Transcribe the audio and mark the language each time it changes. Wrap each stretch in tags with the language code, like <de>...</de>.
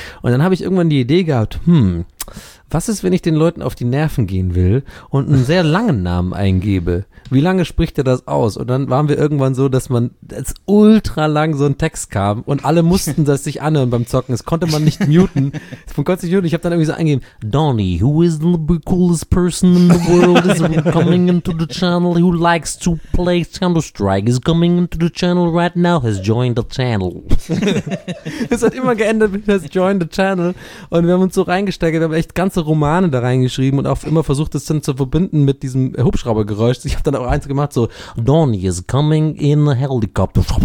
<de>Und dann habe ich irgendwann die Idee gehabt, was ist, wenn ich den Leuten auf die Nerven gehen will und einen sehr langen Namen eingebe? Wie lange spricht er das aus? Und dann waren wir irgendwann so, dass man jetzt ultra lang so ein Text kam und alle mussten das sich anhören beim Zocken. Das konnte man nicht muten. Man konnte sich muten. Ich habe dann irgendwie so eingegeben,</de> <en>Donny, who is the coolest person in the world, is coming into the channel, who likes to play Counter-Strike, is coming into the channel right now, has joined the channel.</en> <de>Es hat immer geendet mit</de> <en>has joined the channel</en> <de>und wir haben uns so reingesteckt, wir haben echt ganze Romane da reingeschrieben und auch immer versucht, das dann zu verbinden mit diesem Hubschraubergeräusch. Ich habe dann auch eins gemacht, so</de> <en>Donny is coming in a helicopter.</en>